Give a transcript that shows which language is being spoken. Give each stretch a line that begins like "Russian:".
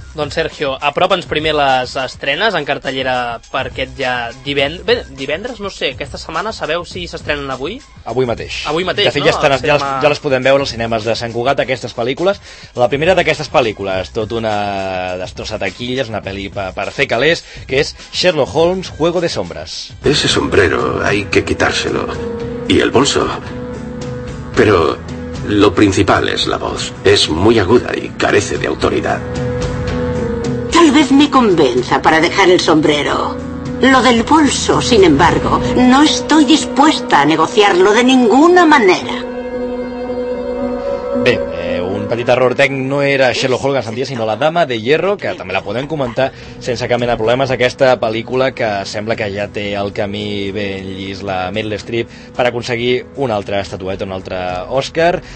Catalan: Doncs, Sergio, apropa'ns primer les estrenes en cartellera per aquest ja divendres, no sé, aquesta setmana. Sabeu si s'estrenen avui? Avui mateix, no? De fet, ja les podem veure als cinemes de Sant Cugat, aquestes pel·lícules. La primera d'aquestes pel·lícules, tot una destrossa taquilles, una pel·li per fer calés, que és Sherlock Holmes, Juego de Sombras.
Spanish: Ese sombrero hay que quitárselo. Y el bolso. Pero lo principal es la voz. Es muy aguda y carece de autoridad. Tal vez me convenza para dejar el sombrero. Lo del bolso, sin embargo, no estoy dispuesta a negociarlo de ninguna manera.
Catalan: Bé, un petit error tècnic, no era Sherlock Holmes en sentia, sinó La Dama de Hierro, que també la podem comentar sense cap mena de problemes, aquesta pel·lícula que sembla que ja té el camí ben llis la Meryl Streep per aconseguir una altra estatueta, un altre Oscar.